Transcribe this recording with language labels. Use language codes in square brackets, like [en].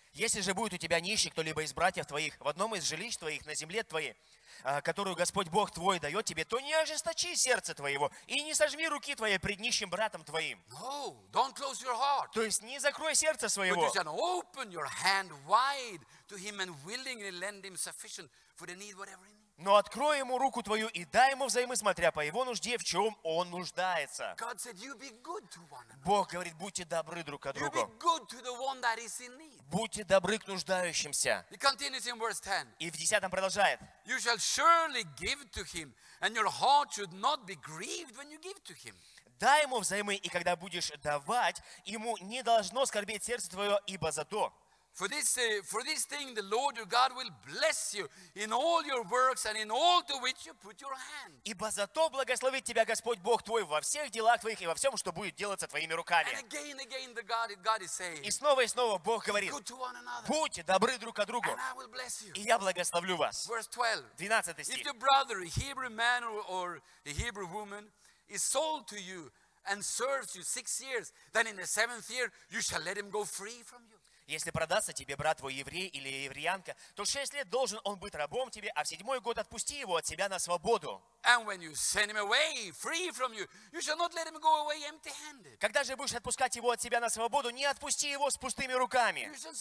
[ru] Если же будет у тебя нищий кто-либо из братьев твоих в одном из жилищ твоих на земле твоей, которую Господь Бог твой дает тебе, то не ожесточи сердце твоего и не сожми руки твои пред нищим братом твоим. [en] No, don't close your heart. [ru] То есть не закрой сердце своего. [en] But you shall open your hand wide to him and willingly lend him sufficient for the need whatever he needs. [ru] Но открой ему руку твою и дай ему взаймы, смотря по его нужде, в чем он нуждается. [en] God said, you be good to one another. [ru] Бог говорит, будьте добры друг к другу. [en] You be good to the one that is in need. [ru] Будьте добры к нуждающимся. [en] He continues in verse 10. [ru] И в 10 продолжает. [en] You shall surely give to him, and your heart should not be grieved when you give to him. [ru] Дай ему взаймы, и когда будешь давать, ему не должно скорбеть сердце твое, ибо за то. [en] For this thing, the Lord your God will bless you in all your works and in all to which you put your hand. [ru] Ибо за то благословит тебя Господь Бог твой во всех делах твоих и во всем, что будет делаться твоими руками. [en] And again, the God is saying. [ru] И снова Бог говорит. [en] Good to one another. [ru] Будьте добры друг к другу. [en] And I will bless you. [ru] И я благословлю вас. [en] Verse 12. [ru] 12 стих. [en] If your brother, a Hebrew man or a Hebrew woman, is sold to you and serves you 6 years, then in the 7th year you shall let him go free from you. [ru] Если продастся тебе брат твой еврей или евреянка, то 6 лет должен он быть рабом тебе, а в 7-й год отпусти его от себя на свободу. Когда же будешь отпускать его от себя на свободу, не отпусти его с пустыми руками.